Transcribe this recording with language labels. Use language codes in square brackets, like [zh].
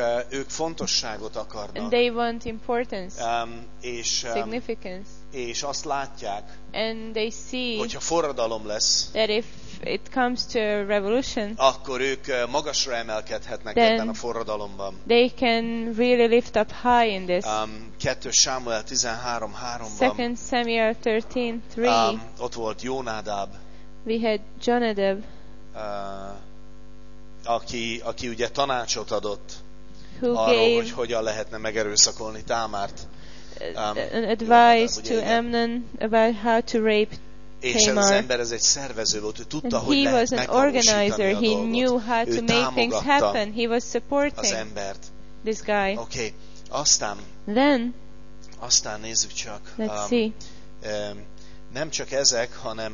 [hu] Ők fontosságot akarnak. [en] And they want importance. [hu] És [en] significance. [hu] És azt látják. [en] And they see. [hu] Hogyha forradalom lesz. [en] That if it comes to a revolution. [hu] Akkor ők magasra emelkedhetnek ebben a forradalomban. [en] They can really lift up high in this. [hu] 2 Samuel 13:3-ban. [en] 2 Samuel 13:3. [hu] Ott volt Jónádáb. [en] We had Jonadab. [hu] Aki ugye tanácsot adott. [en] who gave [hu] hogy hogyan lehetne megerőszakolni Támárt. [en] Advice to Amnon about how to rape Tamar. [hu] És ez az ember, ez egy szervező volt, ő tudta, hogy lehet megvalósítani a dolgot. [en] Organizer. He knew how to make things happen. He was supporting [hu] az embert. [en] This guy. [hu] Okay. Aztán. [en] Then. [hu] Aztán nézzük csak. [en] Let's see. [hu] Nem csak ezek, hanem